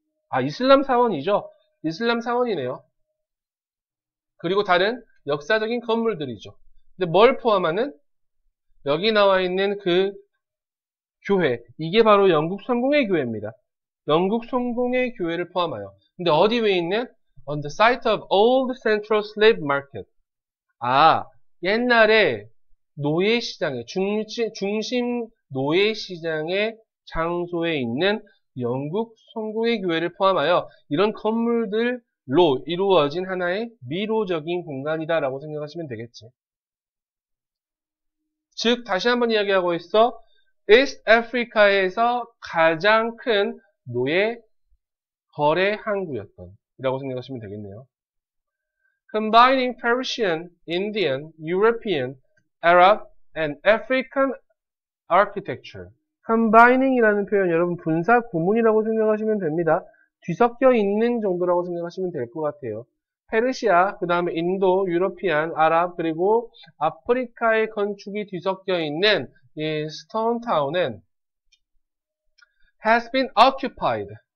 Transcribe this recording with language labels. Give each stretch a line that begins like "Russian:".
Korean: 아 이슬람 사원이죠. 이슬람 사원이네요. 그리고 다른 역사적인 건물들이죠. 근데 뭘 포함하는? 여기 나와 있는 그 교회. 이게 바로 영국 성공의 교회입니다. 영국 성공의 교회를 포함하여. 근데 어디 위에 있는?
English: On the site of old central slave market.
Korean: 아, 옛날에 노예 시장에, 중심 노예 시장의 장소에 있는 영국 성공의 교회를 포함하여 이런 건물들 로 이루어진 하나의 미로적인 공간이다라고 생각하시면 되겠지. 즉 다시 한번 이야기하고 있어. East Africa에서 가장 큰 노예 거래 항구였던 이라고 생각하시면 되겠네요.
English: Combining Persian, Indian, European, Arab and African architecture.
Korean: Combining이라는 표현 여러분 분사 구문이라고 생각하시면 됩니다. 뒤섞여 있는 정도라고 생각하시면 될 것 같아요. 페르시아, 그 다음에 인도, 유러피안, 아랍, 그리고 아프리카의 건축이 뒤섞여 있는 이 스톤타운은
English: has been occupied.